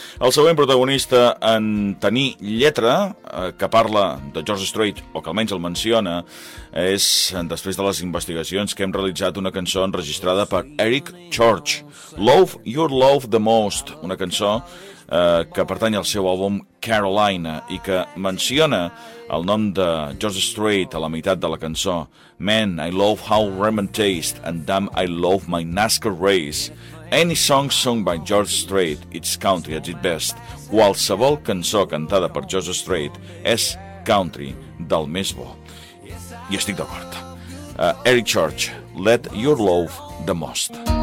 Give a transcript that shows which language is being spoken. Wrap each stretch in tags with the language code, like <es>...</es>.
<ca>El següent protagonista en tenir lletra, que parla de George Strait, o que almenys el menciona, és, després de les investigacions que hem realitzat, una cançó enregistrada per Eric Church, Love Your Love the Most, una cançó que pertany al seu àlbum Carolina i que menciona el nom de George Strait a la meitat de la cançó.</ca> <en>Man, I love how Raymond tastes, and damn, I love my NASCAR race. Any song sung by George Strait, it's country at its best.</en> <ca>Qualsevol cançó cantada per George Strait és country del més bo. I estic d'acord. Eric Church, Let Your Love the Most.</ca>